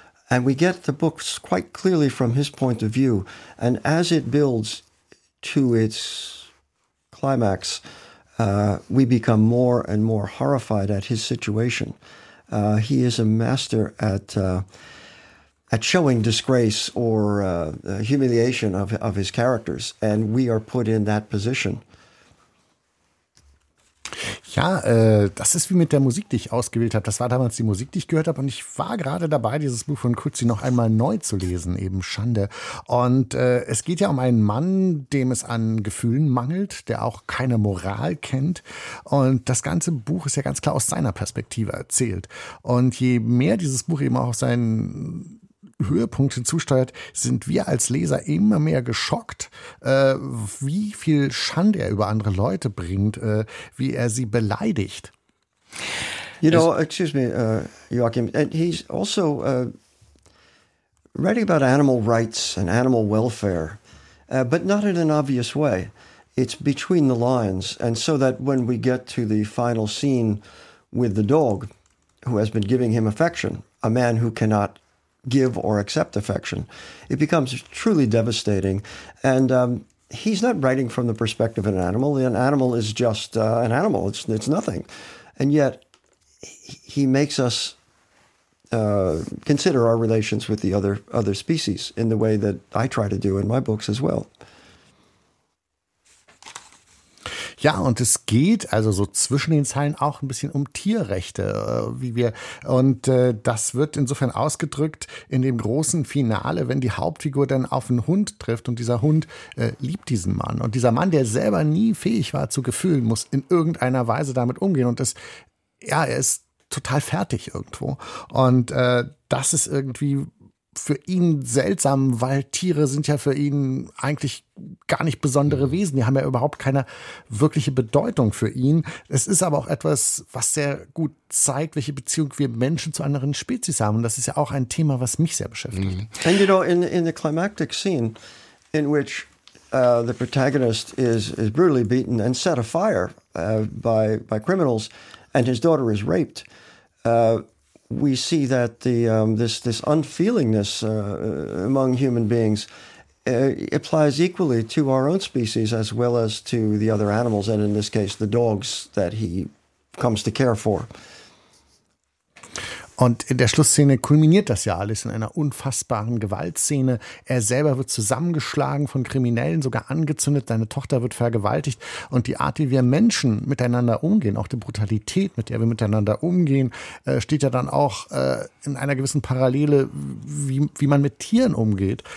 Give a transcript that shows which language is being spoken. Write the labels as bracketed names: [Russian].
[English] And we get the books quite clearly from his point of view. And as it builds to its climax, we become more and more horrified at his situation. He is a master at showing disgrace or humiliation of his characters. And we are put in that position. [German] Ja, das ist wie mit der Musik, die ich ausgewählt habe. Das war damals die Musik, die ich gehört habe. Und ich war gerade dabei, dieses Buch von Kutzi noch einmal neu zu lesen, eben Schande. Und es geht ja um einen Mann, dem es an Gefühlen mangelt, der auch keine Moral kennt. Und das ganze Buch ist ja ganz klar aus seiner Perspektive erzählt. Und je mehr dieses Buch eben auch seinen Höhepunkt hinzusteuert, sind wir als Leser immer mehr geschockt, wie viel Schande er über andere Leute bringt, wie er sie beleidigt. [English] You know, excuse me, Joachim, and he's also writing about animal rights and animal welfare, but not in an obvious way. It's between the lines, and so that when we get to the final scene with the dog, who has been giving him affection, a man who cannot give or accept affection, it becomes truly devastating. And he's not writing from the perspective of an animal. An animal is just an animal. It's nothing. And yet he makes us consider our relations with the other species in the way that I try to do in my books as well. [German] Ja, und es geht also so zwischen den Zeilen auch ein bisschen um Tierrechte, wie wir. Und das wird insofern ausgedrückt in dem großen Finale, wenn die Hauptfigur dann auf einen Hund trifft und dieser Hund liebt diesen Mann. Und dieser Mann, der selber nie fähig war zu Gefühlen, muss in irgendeiner Weise damit umgehen. Und er ist total fertig irgendwo. Und das ist irgendwie für ihn seltsam, weil Tiere sind ja für ihn eigentlich gar nicht besondere Wesen. Die haben ja überhaupt keine wirkliche Bedeutung für ihn. Es ist aber auch etwas, was sehr gut zeigt, welche Beziehung wir Menschen zu anderen Spezies haben. Und das ist ja auch ein Thema, was mich sehr beschäftigt. [English] And you know, in the climactic scene, in which the protagonist is brutally beaten and set afire by criminals, and his daughter is raped, we see that the this unfeelingness among human beings applies equally to our own species as well as to the other animals, and in this case the dogs that he comes to care for. [German] Und in der Schlussszene kulminiert das ja alles in einer unfassbaren Gewaltszene. Er selber wird zusammengeschlagen von Kriminellen, sogar angezündet. Seine Tochter wird vergewaltigt. Und die Art, wie wir Menschen miteinander umgehen, auch die Brutalität, mit der wir miteinander umgehen, steht ja dann auch in einer gewissen Parallele, wie man mit Tieren umgeht.